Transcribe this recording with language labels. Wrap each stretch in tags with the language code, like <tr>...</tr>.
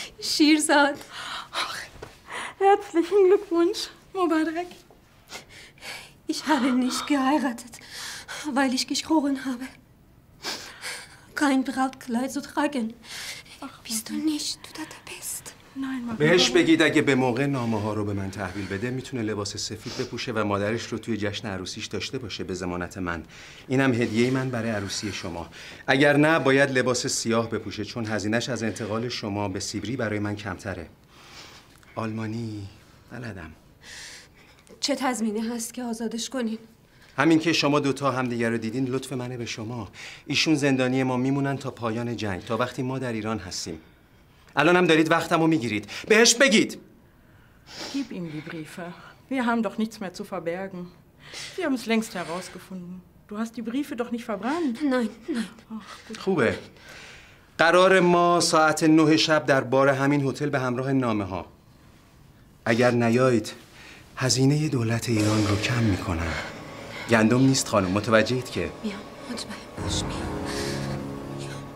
<de>Schirsad. Ach, herzlichen Glückwunsch, Mubarak. Ich habe nicht geheiratet, weil ich geschworen habe, kein Brautkleid zu tragen. Ach, bist du nicht, du da bist.</de> <fa>بهش بگید اگه به موقع نامه ها رو به من تحویل بده میتونه لباس سفید بپوشه و مادرش رو توی جشن عروسیش داشته باشه به ضمانت من. اینم هدیه من برای عروسی شما. اگر نه باید لباس سیاه بپوشه چون هزینش از انتقال شما به سیبری برای من کمتره. آلمانی بلدم. چه تضمینی هست که آزادش کنین؟ همین که شما دوتا همدیگر رو دیدین لطف منه به شما. ایشون زندانی ما میمونن تا پایان جنگ، تا وقتی ما در ایران هستیم. الان هم دارید وقتمو میگیرید. بهش بگید.</fa> <de>Gib ihm die Briefe. Wir haben doch nichts mehr zu verbergen. Wir haben es längst herausgefunden. Du hast die Briefe doch nicht verbrannt. Nein, nein.</de> <fa>خوبه. قرار ما ساعت 9 شب در بار همین هتل به همراه نامه ها. اگر نیایید هزینه دولت ایران رو کم میکنم. گندم نیست خانم، متوجهید که. بیا، مطمئن باش بیا.</fa>